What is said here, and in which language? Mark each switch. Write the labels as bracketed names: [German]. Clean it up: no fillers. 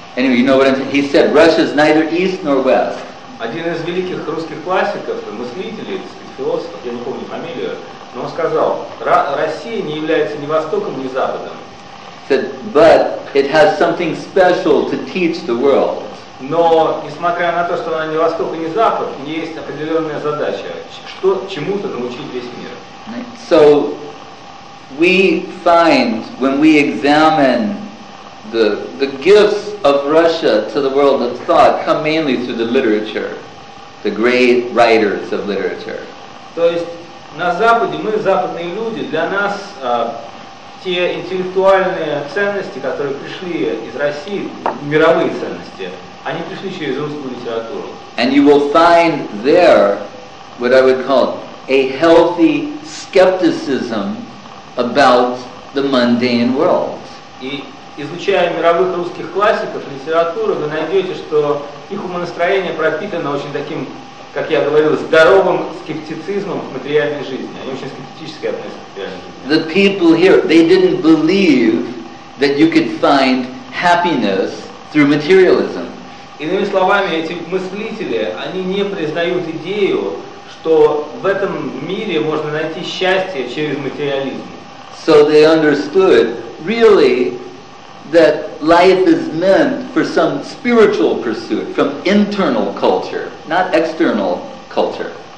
[English] Anyway, you know what I'm saying? He said Russia is neither east nor west. [Russian] Один из великих русских классиков, мыслителей, философов, я не помню фамилию, но он сказал, Россия не является ни Востоком, ни Западом. [English] Said, but it has something special to teach the world. [Russian] Но, несмотря на то, что она ни Восток и ни Запад, есть определенная задача, что чему-то научить весь мир. [English] So, we find, when we examine the gifts of Russia to the world of thought come mainly through the literature, the great writers of literature. [Russian] То есть на Западе мы западные люди, для нас те интеллектуальные ценности, которые пришли из России, мировые ценности, они пришли через русскую литературу. [English] And you will find there what I would call a healthy skepticism about the mundane world. [Russian] И изучая мировых русских классиков литературы, вы найдете, что их умонастроение пропитано очень таким, как я говорил, здоровым скептицизмом в материальной жизни. Они очень скептически относятся к материальной жизни. [English] The people here, they didn't believe that you could find happiness through materialism. [Russian] Иными словами, эти мыслители, они не признают идею, что в этом мире можно найти счастье через материализм. [English] So they understood, really, that life is meant for some spiritual pursuit from internal culture, not external culture.